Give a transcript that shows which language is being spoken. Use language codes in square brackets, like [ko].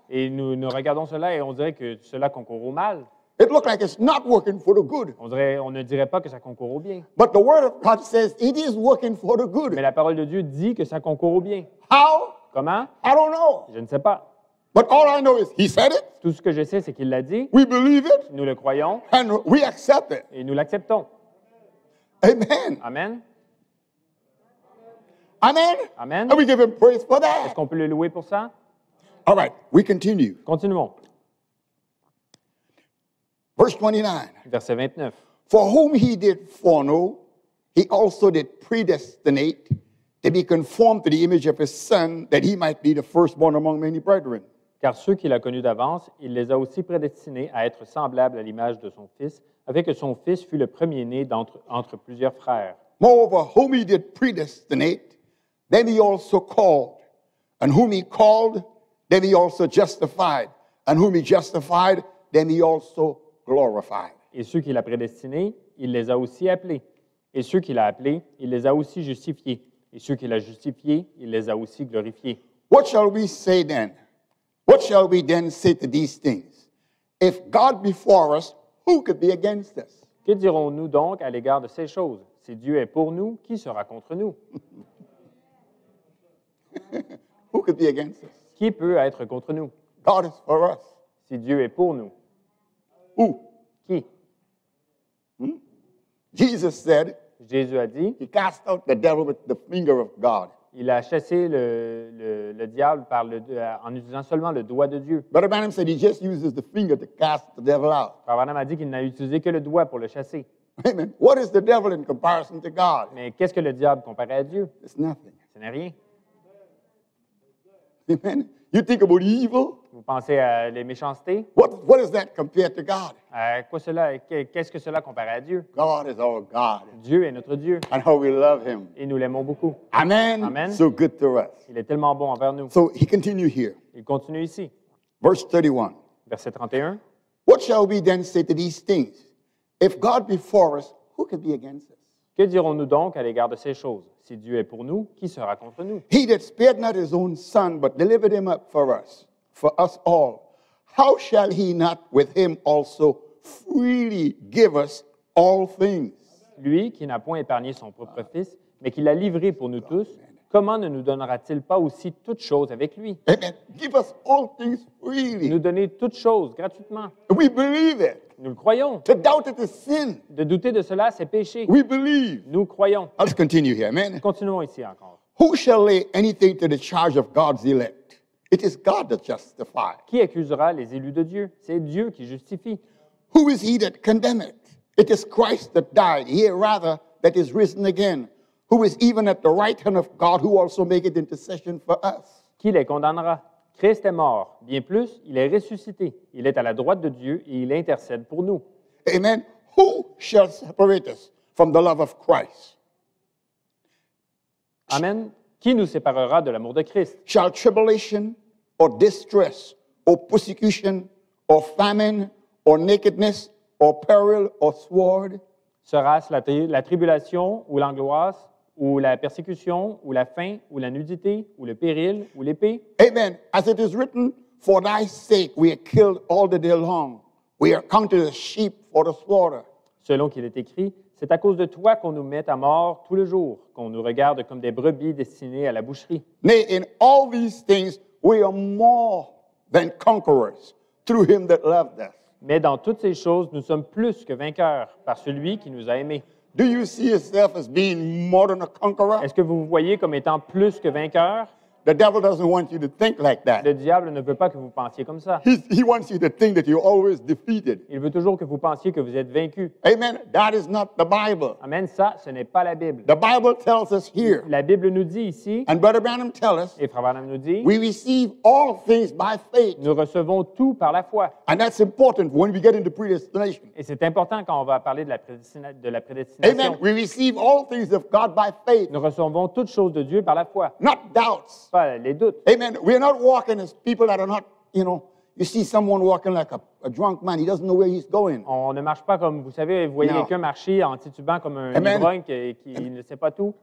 [fr] Et nous regardons cela et on dirait que cela concourt au mal. [en] It looks like it's not working for the good. [fr] On ne dirait pas que ça concourt au bien. [en] But the word of God says it is working for the good. [fr] Mais la parole de Dieu dit que ça concourt au bien. [en] How? [fr] Comment? [en] I don't know. [fr] Je ne sais pas. [en] But all I know is he said it. [fr] Tout ce que je sais, c'est qu'il l'a dit. [en] We believe it. [fr] Nous le croyons. [en] And we accept it. [fr] Et nous l'acceptons. [en] Amen. [fr] Amen. [en] Amen. [fr] Amen. [en] And we give him praise for that. [fr] Est-ce qu'on peut le louer pour ça? [en] All right, we continue. [fr] Continuons. [en] Verse 29. [fr] Verset 29. [en] For whom he did foreknow, he also did predestinate to be conformed to the image of his Son, that he might be the firstborn among many brethren. [fr] Car ceux qu'il a connus d'avance, il les a aussi prédestinés à être semblables à l'image de son Fils, afin que son Fils fût le premier-né entre plusieurs frères. [en] Moreover, whom he did predestinate, then he also called. And whom he called, then he also justified. And whom he justified, then he also glorified. [fr] Et ceux qu'il a prédestinés, il les a aussi appelés. Et ceux qu'il a appelés, il les a aussi justifiés. Et ceux qu'il a justifiés, il les a aussi glorifiés. [en] What shall we say then? What shall we then say to these things? If God be for us, who could be against us? [fr] Que dirons-nous donc à l'égard de ces choses? Si Dieu est pour nous, qui sera contre nous? [en] Who could be against us? [fr] Qui peut être contre nous? [en] God is for us. [fr] Si Dieu est pour nous. [en] Who? [fr] Qui? [en] Jesus said. [fr] Jésus a dit. [en] He cast out the devil with the finger of God. [fr] Il a chassé le diable en utilisant seulement le doigt de Dieu. [en] Brother Branham said he just uses the finger to cast the devil out. [fr] Brother Branham a dit qu'il n'a utilisé que le doigt pour le chasser. [en] Amen. What is the devil in comparison to God? [fr] Mais qu'est-ce que le diable comparé à Dieu? [en] It's nothing. [fr] Ce n'est rien. [en] Amen. You think about evil? [fr] Vous pensez à les méchancetés? [en] What is that compared to God? [fr] À quoi cela? Qu'est-ce que cela compare à Dieu? [en] God is our God. [fr] Dieu est notre Dieu. [en] And how we love him. [fr] Et nous l'aimons beaucoup. [en] Amen. [fr] Amen. [en] So good to us. [fr] Il est tellement bon envers nous. [en] So he continues here. [fr] Il continue ici. [en] Verse 31. [fr] Verset 31. [en] What shall we then say to these things? If God be for us, who could be against us? [fr] Que dirons-nous donc à l'égard de ces choses? Si Dieu est pour nous, qui sera contre nous? [en] He that spared not his own son, but delivered him up for us. For us all, how shall he not with him also freely give us all things? [fr] Lui qui n'a point épargné son propre fils, mais qui l'a livré pour nous tous, comment ne nous donnera-t-il pas aussi toutes choses avec lui? [en] Amen. Give us all things freely. [fr] Nous donner toutes choses gratuitement. [en] We believe it. [fr] Nous le croyons. [en] To doubt it is sin. [fr] De douter de cela, c'est péché. [en] We believe. [fr] Nous croyons. [en] Let's continue here. Amen. [fr] Continuons ici encore. [en] Who shall lay anything to the charge of God's elect? It is God that justifies. [fr] Qui accusera les élus de Dieu? C'est Dieu qui justifie. [en] Who is he that condemneth? It is Christ that died, yea, rather, that is risen again, who is even at the right hand of God, who also maketh intercession for us. [fr] Qui les condamnera? Christ est mort. Bien plus, il est ressuscité. Il est à la droite de Dieu et il intercède pour nous. [en] Amen. Who shall separate us from the love of Christ? [fr] Amen. Qui nous séparera de l'amour de Christ? [en] Shall tribulation or distress or persecution or famine or nakedness or peril or sword? [fr] Sera-ce la tribulation ou l'angoisse ou la persécution ou la faim ou la nudité ou le péril ou l'épée? [en] Amen. As it is written, for thy sake we are killed all the day long. We are counted as sheep for the slaughter. [fr] Selon qu'il est écrit, c'est à cause de toi qu'on nous met à mort tout le jour, qu'on nous regarde comme des brebis destinées à la boucherie. [en] Nay, in all these things we are more than conquerors through him that loved us. [fr] Mais dans toutes ces choses, nous sommes plus que vainqueurs par celui qui nous a aimés. [en] Do you see yourself as being more than a conqueror? [fr] Est-ce que vous vous voyez comme étant plus que vainqueur? [en] The devil doesn't want you to think like that. [fr] Le diable ne veut pas que vous pensiez comme ça. [en] He wants you to think that you're always defeated. [fr] Il veut toujours que vous pensiez que vous êtes vaincu. [en] Amen. That is not the Bible. [fr] Amen. Ça, ce n'est pas la Bible. [en] The Bible tells us here. [fr] La Bible nous dit ici. [en] And Brother Branham tells us. [fr] Et Frère Branham nous dit. [en] We receive all things by faith. [fr] Nous recevons tout par la foi. [en] And that's important when we get into predestination. [fr] Et c'est important quand on va parler de la prédestination. [en] Amen. We receive all things of God by faith. [fr] Nous recevons toutes choses de Dieu par la foi. [en] Not doubts. [fr] Les doutes. [en] Amen. We are not walking as people that are not, you know, you see someone walking like a drunk man. He doesn't know where he's going. [fr] On ne marche pas comme, vous savez, vous voyez quelqu'un marcher en titubant comme un ivrogne qui ne sait pas tout.